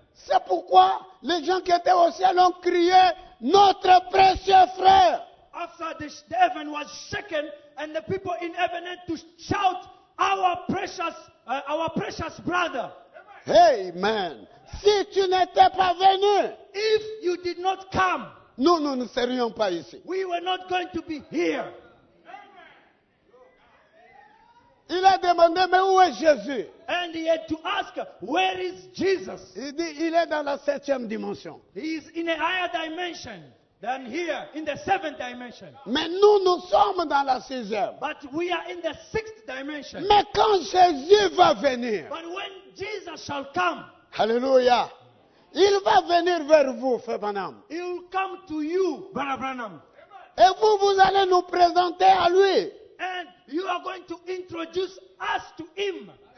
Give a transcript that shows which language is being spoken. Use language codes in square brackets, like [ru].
[fr] C'est pourquoi les gens qui étaient au ciel ont crié, notre précieux frère. [en] After the heaven was shaken and the people in heaven had to shout, our precious brother. [fr] Amen. Si tu n'étais pas venu, [en] if you did not come, [fr] nous, nous ne serions pas ici. [en] We were not going to be here. [fr] Il a demandé, mais où est Jésus? [en] And he had to ask, where is Jesus? [fr] Il dit, il est dans la septième dimension. [en] He is in a higher dimension than here, in the seventh dimension. [fr] Mais nous, nous sommes dans la sixième. [en] But we are in the sixth dimension. [fr] Mais quand Jésus va venir, [en] but when Jesus shall come, [fr] alléluia. Il va venir vers vous, Frère Branham. [en] He will come to you, Brother Branham. [fr] Et vous, vous allez nous présenter à lui. [en] And you are going to introduce us to him.